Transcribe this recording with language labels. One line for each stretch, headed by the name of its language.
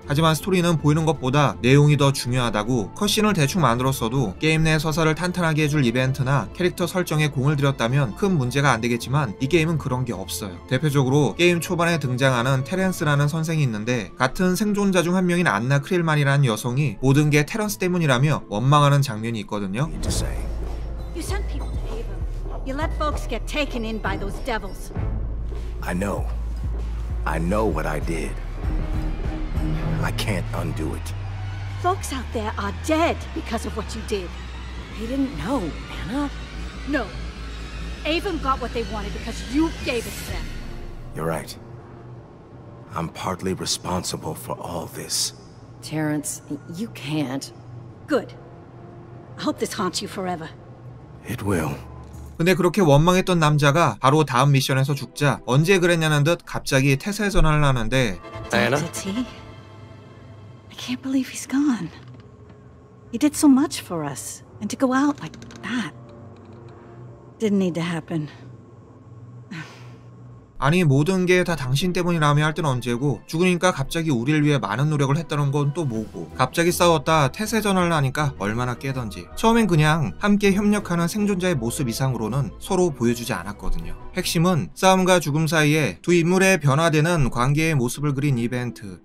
Korean: 하지만 스토리는 보이는 것보다 내용이 더 중요하다고, 컷신을 대충 만들었어도 게임 내 서사를 탄탄하게 해줄 이벤트나 캐릭터 설정에 공을 들였다면 큰 문제가 안 되겠지만 이 게임은 그런 게 없어요. 대표적으로 게임 초반에 등장하는 테렌스라는 선생이 있는데, 같은 생존자 중 한 명인 안나 크릴만이라는 여성이 모든 게 테렌스 때문이라며 원망하는 장면이 있거든요.
English: You sent people to Haven. You let folks get taken in by those devils. I know what I did. I can't undo it. Folks out there are dead because of what you did. They didn't know, Anna. No. Avon got what they wanted because you gave it to them. You're right. I'm partly responsible for all this. Terrence, you can't. Good. I hope this haunts you forever. It will.
Korean: 근데 그렇게 원망했던 남자가 바로 다음 미션에서 죽자 언제 그랬냐는 듯 갑자기 태세 전환을 하는데, 아나?
English: I can't believe he's gone. He did so much for us, and to go out like that didn't need to happen.
Korean: 아니, 모든 게 다 당신 때문이라며 할 땐 언제고, 죽으니까 갑자기 우리를 위해 많은 노력을 했다는 건 또 뭐고, 갑자기 싸웠다 태세 전환을 하니까 얼마나 깨던지. 처음엔 그냥 함께 협력하는 생존자의 모습 이상으로는 서로 보여주지 않았거든요. 핵심은 싸움과 죽음 사이에 두 인물의 변화되는 관계의 모습을 그린 이벤트.